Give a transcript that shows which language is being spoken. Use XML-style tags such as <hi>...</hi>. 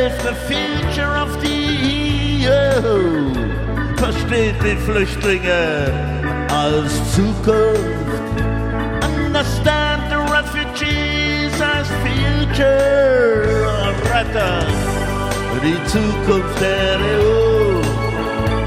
<en>The future of the EU.</en> <de>Versteht die Flüchtlinge als Zukunft.</de> <en>Understand the refugees as future.</en> <de>Rettet die Zukunft der EU.</de>